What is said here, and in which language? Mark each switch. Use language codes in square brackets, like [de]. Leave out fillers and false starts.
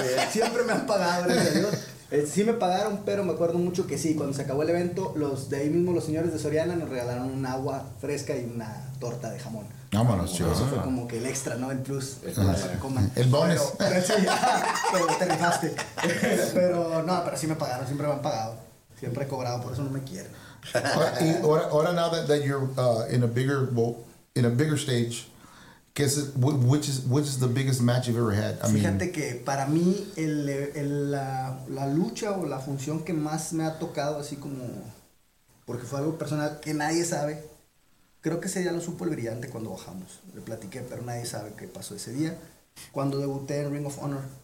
[es] Siempre me han pagado, gracias a Dios. Sí me pagaron, pero me acuerdo mucho que sí, cuando se acabó el evento, los de ahí mismo, los señores de Soriana, nos regalaron un agua fresca y una torta de jamón. Vámonos, chicos. Eso fue como que el extra, ¿no? El plus. El bonus. Pero te rifaste. Pero no, pero sí me pagaron, siempre me han pagado. Siempre he cobrado, por eso no me quieren. Ahora, [en] now that you're in a bigger stage, which is the biggest match you've ever had? [es] Fíjate que para mí la lucha o la función que más me ha tocado, así como porque fue algo personal que nadie sabe, creo que ese día lo supo el Brillante cuando bajamos, le platiqué, pero nadie sabe qué pasó ese día cuando debuté en Ring of Honor.